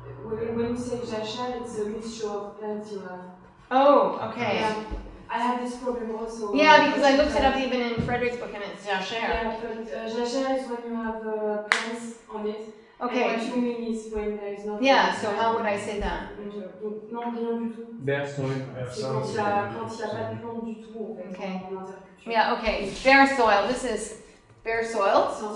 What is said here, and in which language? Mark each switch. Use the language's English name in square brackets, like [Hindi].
[English] When you say jachère, it's a mixture of plants you have. Oh. Okay. I have this problem also. Yeah, because I looked it up even in Frederick's book, and it's jachère. Yeah, but jachère is when you have plants on it. Okay. And what you mean is when there is not. Yeah. So how would I say that? [French] Non, rien du tout. [English] Bare soil. [French] C'est quand il y a pas de plantes du tout. [English] Okay. Yeah, okay, bare soil. This is bare soil.